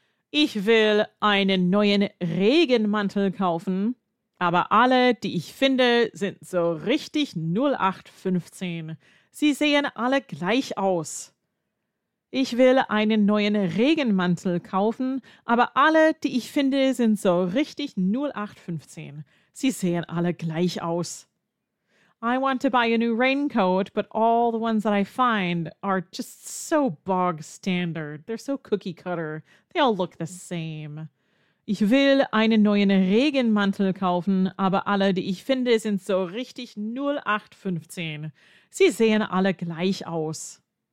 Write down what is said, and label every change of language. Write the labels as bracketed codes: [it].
[de] Ich will einen neuen Regenmantel kaufen, aber alle, die ich finde, sind so richtig 0815. Sie sehen alle gleich aus. Ich will einen neuen Regenmantel kaufen, aber alle, die ich finde, sind so richtig 0815. Sie sehen alle gleich aus. [en] I want to buy a new raincoat, but all the ones that I find are just so bog standard. They're so cookie cutter. They all look the same. [de] Ich will einen neuen Regenmantel kaufen, aber alle, die ich finde, sind so richtig 0815. Sie sehen alle gleich aus.